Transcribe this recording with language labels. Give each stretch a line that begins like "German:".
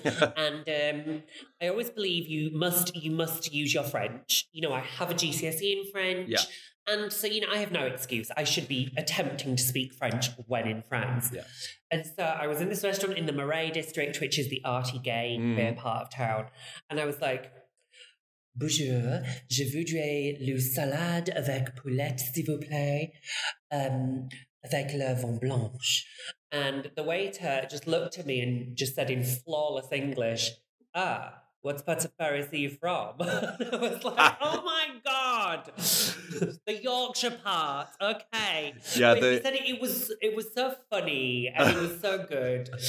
English: And I always believe you must use your French. You know, I have a GCSE in French. Yeah. And so, you know, I have no excuse. I should be attempting to speak French when in France. Yeah. And so I was in this restaurant in the Marais district, which is the arty gay queer part of town. And I was like,
French: bonjour, je voudrais le salade avec poulet, s'il vous plaît, avec le vin blanche.
English: And the waiter just looked at me and just said in flawless English, ah, what part of Paris are you from? I was like, oh my God, the Yorkshire part. Okay. Yeah. But he said it was so funny and it was so good.